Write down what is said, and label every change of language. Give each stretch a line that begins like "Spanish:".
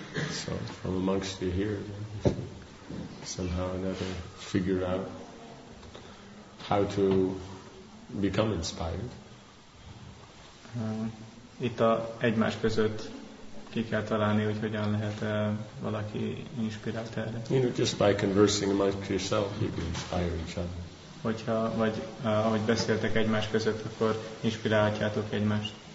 English: So from amongst you here, you somehow or another figure out how to become inspired.
Hungarian: Itt a egymás között ki kell találni, hogy hogyan lehet valaki inspirált erre.
English: You know, just by conversing amongst yourself, you can inspire each other.
Hungarian: Hogyha, vagy ahogy beszéltek egymás között, akkor inspirálhatjátok egymást.